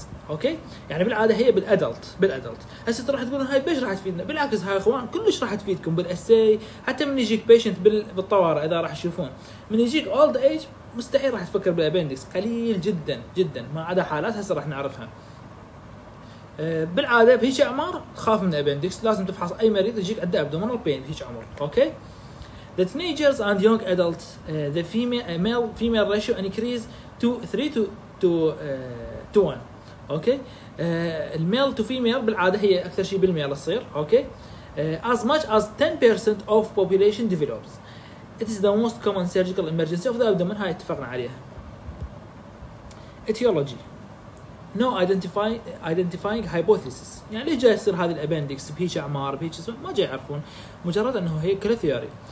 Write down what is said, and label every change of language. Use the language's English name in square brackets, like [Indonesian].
[Arabic] اوكي يعني بالعاده هي بالادلت، بالادلت. هسه انت راح تقولون هاي بيش راح تفيدنا؟ بالعكس هاي اخوان كلش راح تفيدكم بالاساي، حتى من يجيك بيشنت بالطوارئ اذا راح تشوفون من يجيك اولد ايج مستحيل راح تفكر بالابندكس، قليل جدا جدا ما عدا حالات هسه راح نعرفها. بالعاده بهيج اعمار تخاف من الابندكس، لازم تفحص اي مريض يجيك عنده ابدومينال بين بهيج عمر. [English] Okay the teenagers and young adults the female ratio increase to 3 to 1. [Arabic] اوكي [English] الميل to female [Arabic] بالعاده هي اكثر شيء بالميل تصير. [English] Okay as much as 10% of population develops it is the most common surgical emergency of the abdomen. [Arabic] هاي اتفقنا عليها. [English] etiology no identifying hypothesis، [Arabic] يعني ليش جاي يصير هذه الابندكس بهيج اعمار بهيج ما جاي يعرفون، مجرد انه هي كل ثيوري.